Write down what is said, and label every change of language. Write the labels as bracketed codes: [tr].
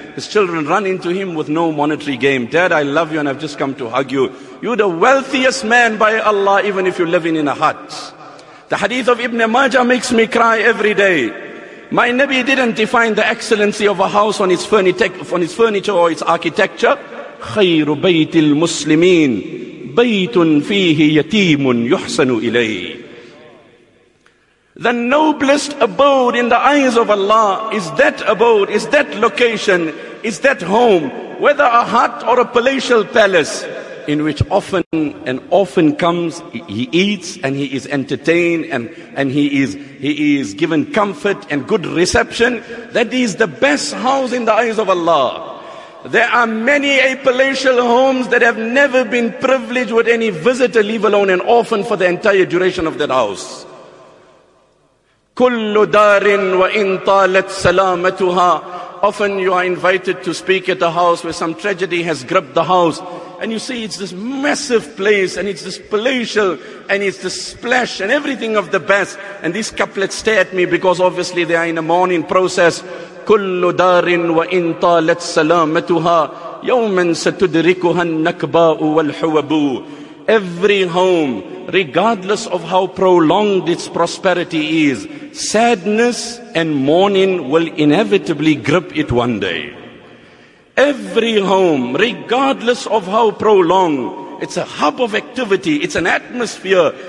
[en] His children run into him with no monetary game. Dad, I love you and I've just come to hug you. You're the wealthiest man by Allah, even if you're living in a hut. The hadith of Ibn Majah makes me cry every day. My Nabi didn't define the excellency of a house on its furniture or its architecture. [ar] خير بيت المسلمين بيت فيه يتيم يحسن إليه. [en] The noblest abode in the eyes of Allah is that abode, is that location, is that home, whether a hut or a palatial palace, in which often and often comes, he eats and he is entertained and he is given comfort and good reception. That is the best house in the eyes of Allah. There are many a palatial homes that have never been privileged with any visitor, leave alone an orphan, for the entire duration of that house. [ar] كل دار وإن طالت سلامتها. [en] Often you are invited to speak at a house where some tragedy has gripped the house, and you see it's this massive place and it's this palatial and it's this splash and everything of the best, and these couplets stare at me because obviously they are in a mourning process. [ar] كل دار وإن طالت سلامتها يوما ستدركها النكباء والحوب. [en] Every home, regardless of how prolonged its prosperity is, sadness and mourning will inevitably grip it one day. Every home, regardless of how prolonged, it's a hub of activity, it's an atmosphere.